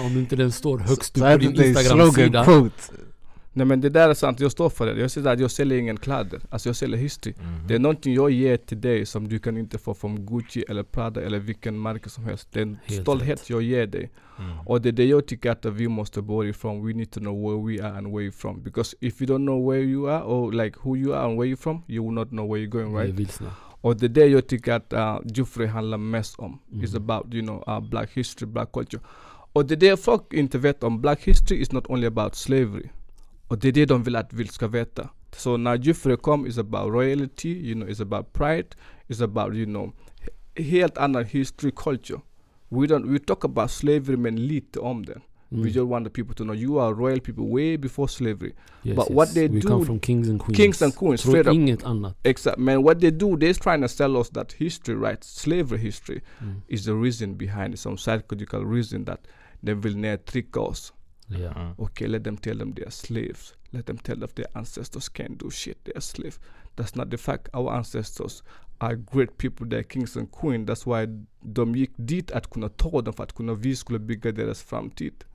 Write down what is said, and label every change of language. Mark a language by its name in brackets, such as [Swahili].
[Swedish] Om inte den står högst upp på din Instagram-sida. Nej, men det där är sant. Jag står för det. Jag säger att jag säljer ingen kläder. Alltså jag säljer history. Mm-hmm. Det är någonting jag ger till dig som du kan inte få från Gucci eller Prada eller vilken märke som helst. Det är en helt stolthet rätt. Jag ger dig. Mm. Och det är det jag tycker att vi måste börja ifrån. [English] We need to know where we are and where you're from. Because if you don't know where you are or like who you are and where you're from, you will not know where you're going, right? [Swedish] Vilsna. Och det är det jag tycker att Jufre handlar mest om. Mm. [English] It's about, you know, black history, black culture. [Swedish] Och det är det folk inte vet om. [English] Black history is not only about slavery. [Swedish] Och det är det de vill att vi ska veta. Så när Jufre kom, [English] it's about royalty, you know, it's about pride, it's about, you know, [Swedish] helt annan [English] history, culture. We talk about slavery, [Swedish] men lite om det. [English] Mm. We just want the people to know you are royal people way before slavery. Yes, but yes. What they do, come from kings and queens. Kings and queens, [Swedish] straight up. Inget annat. [English] Exactly. Man, what they do, they're trying to sell us that history, right? Slavery history is the reason behind it. Some psychological reason that they will never trick us. Yeah. Okay, let them tell them they are slaves. Let them tell them their ancestors can't do shit. They are slaves. That's not the fact. Our ancestors are great people. They are kings and queens. That's why [Swedish] de gick dit att kunna ta dem för att kunna vi skulle bygga deras framtid.